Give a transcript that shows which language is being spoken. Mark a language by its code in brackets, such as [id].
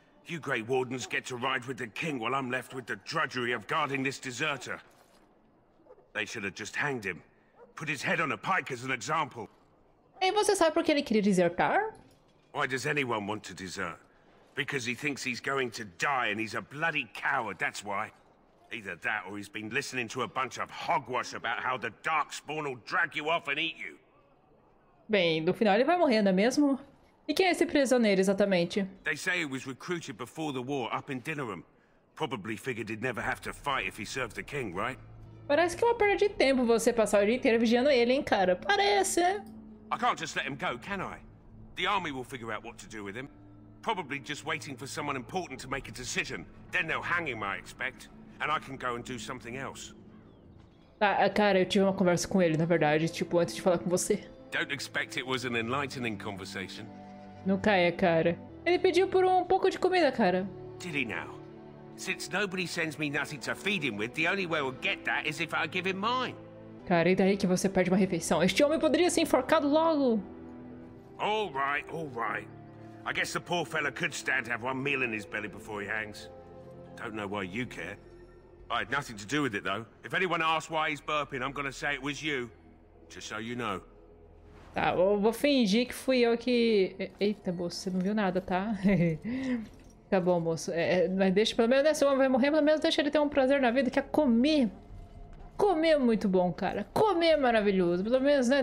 [en] You Grey Wardens get to ride with the king while I'm left with the drudgery of guarding this deserter. They should have just hanged him. Put his head on a pike as an example. [pt] E você sabe por que ele queria desertar? [en] Why does anyone want to desert? Because he thinks he's going to die and he's a bloody coward, that's why. Either that or he's been listening to a bunch of hogwash about how the darkspawn will drag you off and eat you. [pt] Bem, no final ele vai morrer, não é mesmo? E quem é esse prisioneiro exatamente? [en] They say he was recruited before the war up in Dinnerham. Probably figured he'd never have to fight if he served the king, right? [pt] Parece que é uma perda de tempo você passar o dia inteiro vigiando ele, hein, cara? Parece, né? [en] I can't just let him go, can I? The army will figure out what to do with him. Probably just waiting for someone important to make a decision. Then they'll hang him, I expect. And I can go and do something else. [pt] Ah, cara, eu tive uma conversa com ele, na verdade, tipo, antes de falar com você. [en] Don't expect it was an enlightening conversation. [pt] Nunca é, cara. Ele pediu por um pouco de comida, cara. [en] Did he now? Since nobody sends me nothing to feed him with, the only way we'll get that is if I give him mine. [pt] Cara, e daí que você perde uma refeição? Este homem poderia ser enforcado logo. [en] All right, all right. I guess the poor fella could stand to have one meal in his belly before he hangs. Don't know why you care. I had nothing to do with it, though. If anyone asks why he's burping, I'm gonna say it was you. Just so you know. [pt] Tá, eu vou fingir que fui eu que... Eita, moço, você não viu nada, tá? Tá bom, moço. É, mas deixa pelo menos, né? Se o homem vai morrer, pelo menos deixa ele ter um prazer na vida, que é comer. Comer é muito bom, cara. Comer é maravilhoso. Pelo menos, né?